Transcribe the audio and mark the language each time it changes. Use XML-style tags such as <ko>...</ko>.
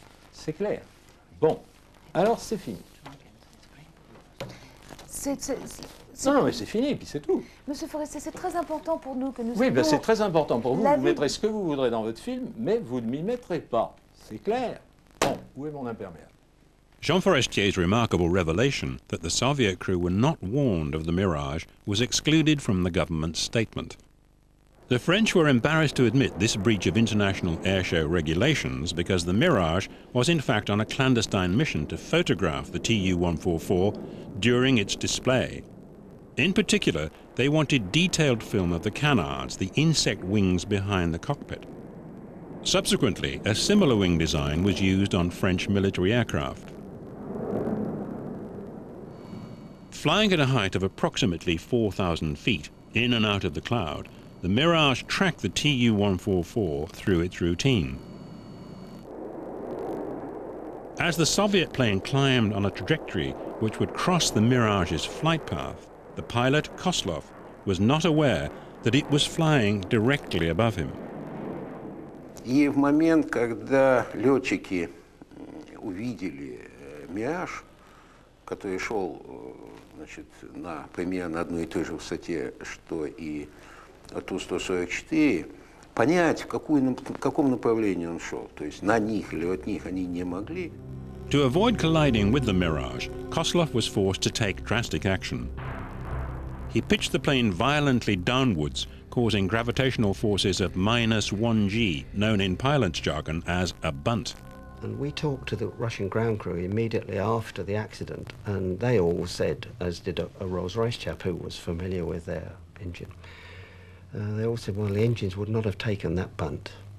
<fr>C'est clair. Bon, alors c'est fini. C'est non, mais c'est fini, puis c'est tout. Monsieur Forestier, c'est très important pour nous que nous... Oui, ben c'est très important pour vous. Vous mettrez ce que vous voudrez dans votre film, mais vous ne m'y mettrez pas. C'est clair. Bon, où est mon imperméable?</fr> <en>Jean Forestier's remarkable revelation that the Soviet crew were not warned of the Mirage was excluded from the government's statement. The French were embarrassed to admit this breach of international airshow regulations because the Mirage was in fact on a clandestine mission to photograph the TU-144 during its display. In particular, they wanted detailed film of the canards, the insect wings behind the cockpit. Subsequently, a similar wing design was used on French military aircraft. Flying at a height of approximately 4,000 feet, in and out of the cloud, the Mirage tracked the TU-144 through its routine. As the Soviet plane climbed on a trajectory which would cross the Mirage's flight path, the pilot, Koslov, was not aware that it was flying directly above him.</en> <ru>И в момент, когда летчики увидели Мираж, который шел, значит, на примерно одной и той же высоте, что и Ту-144, понять, в каком направлении он шел, то есть на них или от них они не могли.</ru> <en>To avoid colliding with the Mirage, Koslov was forced to take drastic action. He pitched the plane violently downwards, causing gravitational forces of -1g, known in pilot's jargon as a bunt. And we talked to the Russian ground crew immediately after the accident, and they all said, as did a Rolls-Royce chap who was familiar with their engine, they all said, well, the engines would not have taken that bunt.</en>